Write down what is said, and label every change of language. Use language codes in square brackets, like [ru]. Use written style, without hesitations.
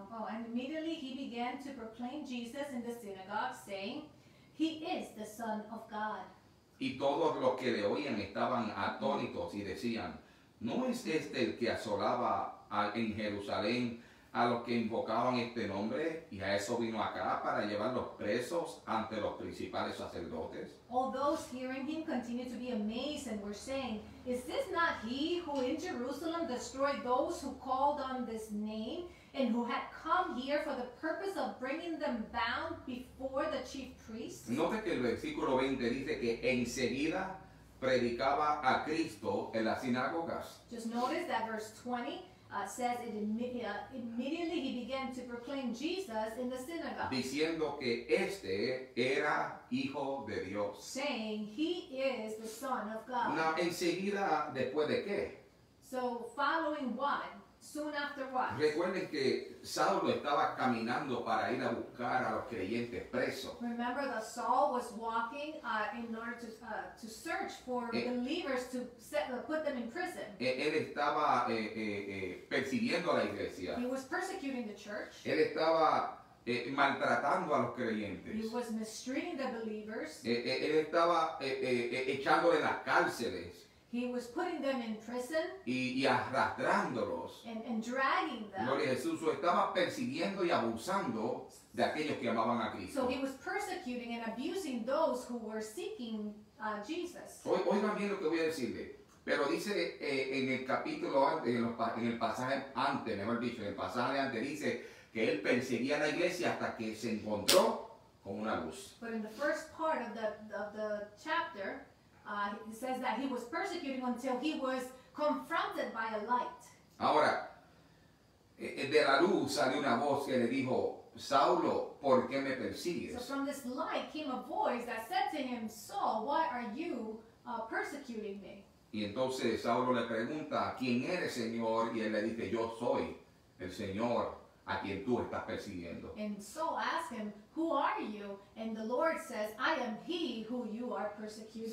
[en] And immediately he began to proclaim Jesus in the synagogue, saying, He is the Son of God. [es] Y todos los que le oían estaban atónitos y decían, ¿no es este el que asolaba en Jerusalén a los que invocaban este nombre, y a eso vino acá para llevarlos presos ante los principales sacerdotes? [en] All those hearing him continued to be amazed and were saying, Is this not he who in Jerusalem destroyed those who called on this name and who had come here for the purpose of bringing them bound before the chief priests? [es] Note que el versículo 20 dice que enseguida predicaba a Cristo en las sinagogas. [en] Just notice that verse 20 says it immediately he began to proclaim Jesus in the synagogue. [es] Diciendo que este era hijo de Dios. [en] Saying he is the son of God. [es] Now, enseguida después de qué? [en] So following what? Soon after what? [es] Recuerden que Saulo estaba caminando para ir a buscar a los creyentes presos. [en] Remember that Saul was walking in order to search for believers to set, put them in prison. [es] Él estaba persiguiendo a la iglesia. [en] He was persecuting the church. [es] Él estaba maltratando a los creyentes. [en] He was mistreating the believers. [es] Él estaba echándole en las cárceles. [en] He was putting them in prison. [es] Y arrastrándolos. [en] And dragging them. [es] Gloria a Jesús. Estaba persiguiendo y abusando de aquellos que amaban a Cristo. [en] So he was persecuting and abusing those who were seeking Jesus. [es] Oigan bien lo que voy a decirle. Pero dice en el capítulo antes, en el pasaje antes, mejor dicho, en el pasaje antes, dice que él perseguía a la iglesia hasta que se encontró con una luz. [en] But in the first part of the chapter, it says that he was persecuting until he was confronted by a light. [es] Ahora, de la luz salió una voz que le dijo, Saulo, ¿por qué me persigues? [en] So from this light came a voice that said to him, Saul, why are you persecuting me? [es] Y entonces Saulo le pregunta, ¿quién eres, Señor? Y él le dice, yo soy el Señor a quien tú estás persiguiendo. [en] And Saul asked him, who are you? And the Lord says, I am he who you are persecuting.